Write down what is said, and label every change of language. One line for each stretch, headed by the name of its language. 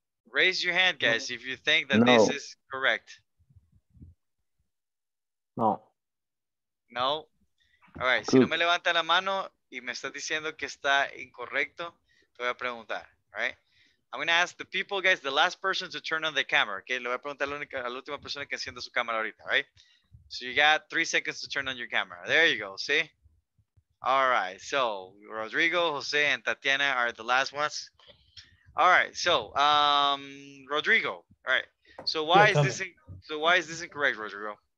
English: Raise your hand, guys, if you think that this is correct. No. No? All right, cook.
Spanish: Si no me levanta la mano y me está diciendo que está incorrecto, te voy a preguntar.
English: Right, I'm gonna ask the people, guys, the last person to turn on the camera.
Spanish: Okay, le voy a preguntar a la última persona que encienda su cámara ahorita.
English: Right, so you got 3 seconds to turn on your camera. There you go. See, all right. So Rodrigo, Jose, and Tatiana are the last ones. All right. So Rodrigo. All right. So why is this incorrect, Rodrigo?